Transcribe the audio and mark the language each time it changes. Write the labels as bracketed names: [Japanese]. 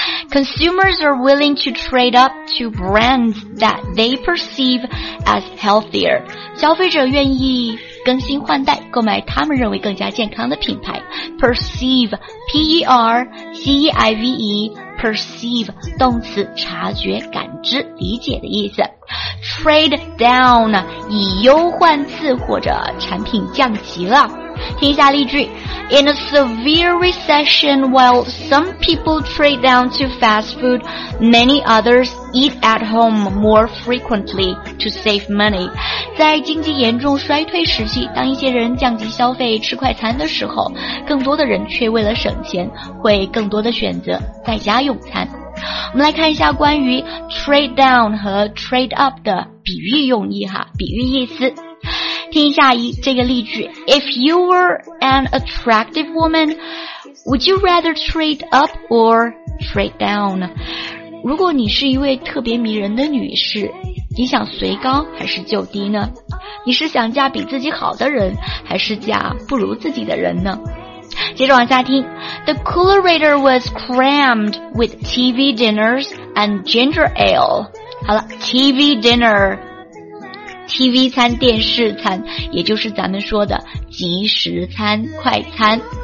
[English] Consumers are willing to trade up to brands that they perceive as healthier. [Chinese] 消费者愿意更新换代，购买他们认为更加健康的品牌。 Perceive, P-E-R-C-E-I-V-E, perceive, 动词，察觉、感知、理解的意思。 Trade down, 以优换次或者产品降级了。听一下例句， [English] In a severe recession, while some people trade down to fast food, many others eat at home more frequently to save money. [Chinese] 在经济严重衰退时期，当一些人降级消费吃快餐的时候，更多的人却为了省钱会更多的选择在家用餐。我们来看一下关于 trade down 和 trade up 的比喻用意哈，比喻意思。听一下这个例句， [English] If you were an attractive woman, would you rather trade up or trade down? [Chinese] 如果你是一位特别迷人的女士，你想随高还是就低呢？你是想嫁比自己好的人，还是嫁不如自己的人呢？接着往下听， [English] The coolerator was crammed with TV dinners and ginger ale. [Chinese] 好了， TV dinnerTV 餐，电视餐，也就是咱们说的即时餐、快餐。